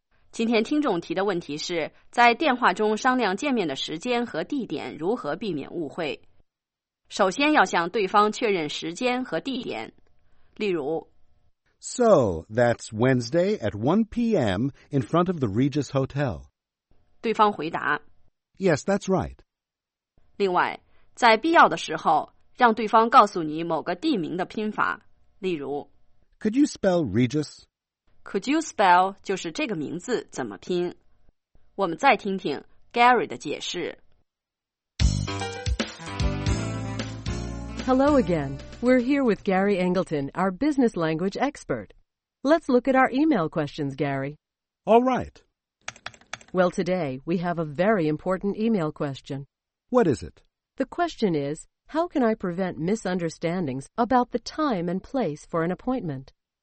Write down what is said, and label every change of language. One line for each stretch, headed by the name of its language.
Chinese: 今天听众提的问题是在电话中商量见面的时间和地点如何避免误会。首先要向对方确认时间和地点。例如
English: So, that's Wednesday at 1 p.m. in front of the Regis Hotel.
Chinese: 对方回答
English: Yes, that's right.
Chinese: 另外在必要的时候让对方告诉你某个地名的拼法。例如
English: Could you spell Regis? Could you spell
Chinese: 就是这个名字怎么拼？我们再听听 Gary 的解释。
English: Hello again. We're here with Gary Engleton, our business language expert. Let's look at our email questions, Gary. All right. Well, today we have a very important email question. What is it? The question is, how can I prevent misunderstandings about the time and place for an appointment?